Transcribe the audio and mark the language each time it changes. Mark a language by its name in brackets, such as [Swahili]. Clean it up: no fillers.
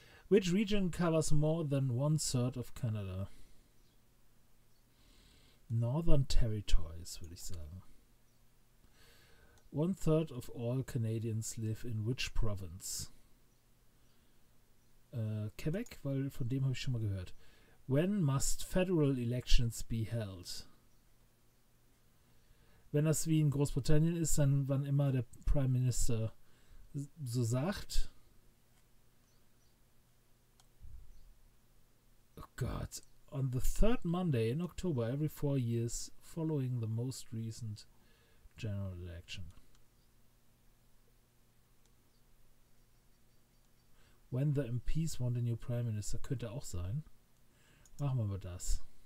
[English] Which region covers more than one third of Canada? Northern Territories, [German] würde ich sagen. [English] One third of all Canadians live in which province? [German] Quebec, weil von dem habe ich schon mal gehört. [English] When must federal elections be held? [German] Wenn das wie in Großbritannien ist, dann wann immer der Prime Minister so sagt. Oh Gott. [English] On the third Monday in October every 4 years following the most recent general election. When the MPs want a new Prime Minister, [German] könnte auch sein. Machen wir mal das.